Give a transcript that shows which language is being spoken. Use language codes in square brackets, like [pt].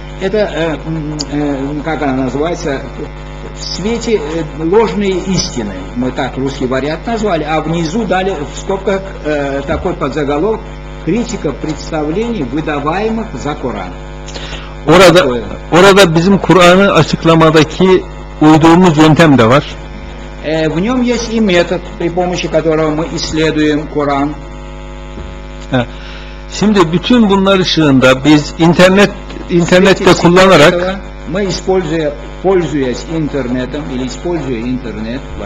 [ru] Это, как она называется, «В свете ложной истины». Мы так русский вариант назвали, а внизу дали в скобках такой подзаголовок «Критика представлений, выдаваемых за Коран». [tr] Orada bizim Kur'an'ı açıklamadaki uyduğumuz yöntem de var. [ru] В нем есть и метод, при помощи которого мы исследуем Коран. [tr] Şimdi bütün bunlar ışığında biz internette kullanarak [ru] мы пользуясь интернетом или используя интернет,